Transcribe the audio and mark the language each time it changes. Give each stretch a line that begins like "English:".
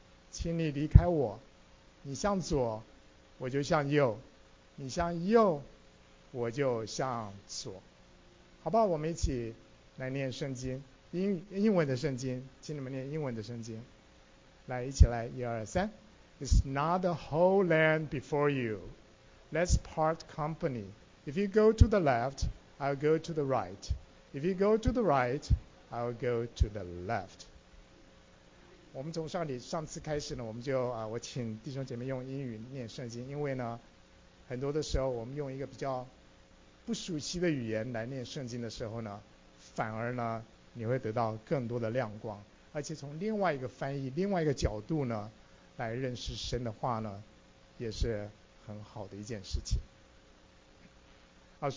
Chinese: 请你离开我，你向左我就向右，你向右我就向左。好不好，我们一起来念圣经，英文的圣经，请你们念英文的圣经，来，一起来，1、2、3。
English: It's not the whole land before you, let's part company. If you go to the left, I'll go to the right. If you go to the right, I'll go to the left.
Chinese: 我们从上次开始呢，我们就我请弟兄姐妹用英语念圣经，因为呢很多的时候我们用一个比较不熟悉的语言来念圣经的时候呢，反而呢你会得到更多的亮光，而且从另外一个翻译，另外一个角度呢来认识神的话呢，也是很好的一件事情啊。